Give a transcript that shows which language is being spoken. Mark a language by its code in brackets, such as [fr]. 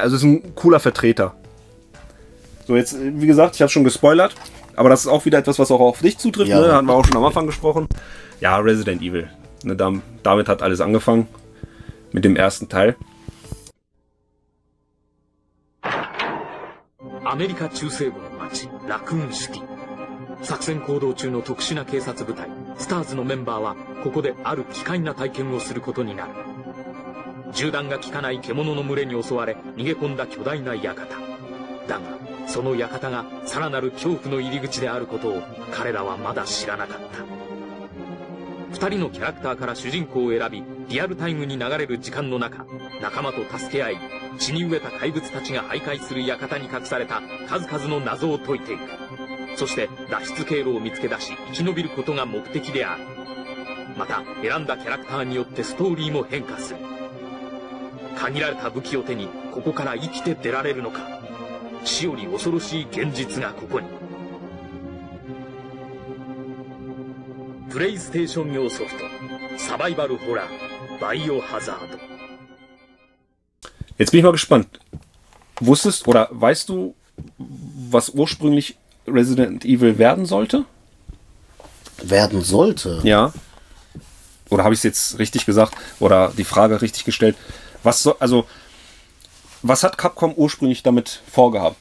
[de] Also ist ein cooler Vertreter. So, jetzt, wie gesagt, ich habe schon gespoilert, aber das ist auch wieder etwas, was auch auf dich zutrifft. Ja. Ne? Da hatten wir auch schon am Anfang gesprochen. Ja, Resident Evil. Ne, damit hat alles angefangen. Mit dem ersten Teil. [ja] Amerika 中西部の街, Raccoon City. 作戦行動中の特殊な警察部隊 STARS のメンバーはここである奇怪な体験をすることになる 銃弾が効かない獣の群れに襲われ逃げ込んだ巨大な館だがその館がさらなる恐怖の入り口であることを彼らはまだ知らなかった 2人のキャラクターから主人公を選びリアルタイムに流れる時間の中 仲間と助け合い血に飢えた怪物たちが徘徊する館に隠された数々の謎を解いていく そして脱出経路を見つけ出し生き延びることが目的である。また選んだキャラクターによってストーリーも変化する。限られた武器を手にここから生きて出られるのか。死より恐ろしい現実がここに。プレイステーション用ソフトサバイバルホラーバイオハザード。 [de] Jetzt bin ich mal gespannt. Wusstest oder weißt du, was ursprünglich Resident Evil werden sollte? Werden sollte? Ja. Oder habe ich es jetzt richtig gesagt? Oder die Frage richtig gestellt? Was hat Capcom ursprünglich damit vorgehabt?